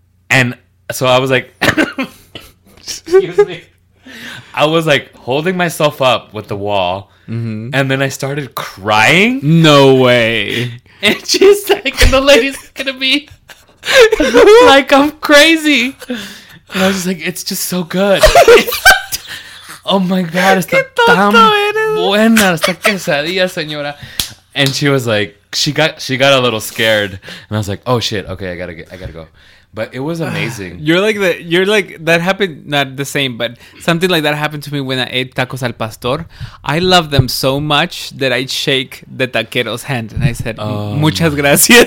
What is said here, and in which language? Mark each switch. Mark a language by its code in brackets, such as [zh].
[en] And so I was like, excuse me, I was like holding myself up with the wall, mm-hmm. and then I started crying. No way. And she's like, and the lady's gonna be like, I'm crazy. And I was just like, it's just so good. Oh my god, [es] está tan buena esta quesadilla, señora. [en] And she was like, she got a little scared. And I was like, oh shit, okay, I gotta go. But it was amazing. That happened, not the same, but something like that happened to me when I ate tacos al pastor. I love them so much that I shake the taquero's hand and I said, [es] muchas gracias.